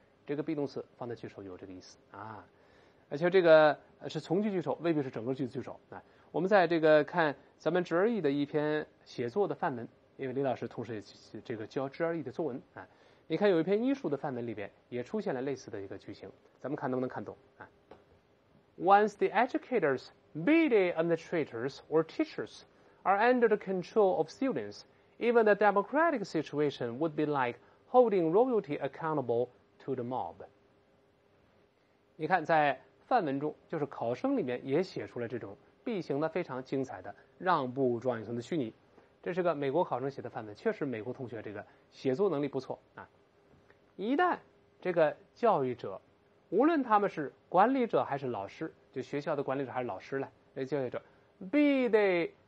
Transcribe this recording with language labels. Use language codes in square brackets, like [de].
[zh] 这个 be 动词放在句首有这个意思啊，而且这个是从句句首，未必是整个句子句首啊。我们在这个看咱们 GRE 的一篇写作的范文，因为李老师同时也这个教 GRE 的作文啊。你看有一篇医术的范文里边也出现了类似的一个句型，咱们看能不能看懂啊 [en] ？Once the educators, be they administrators or teachers, are under the control of students. Even the democratic situation would be like holding royalty accountable to the mob. [zh] 你看在范文中，就是考生里面也写出了这种 be 型的非常精彩的让步状语从的虚拟。这是个美国考生写的范文，确实美国同学这个写作能力不错啊。一旦这个教育者，无论他们是管理者还是老师，就学校的管理者还是老师了，这教育者 [en] be they。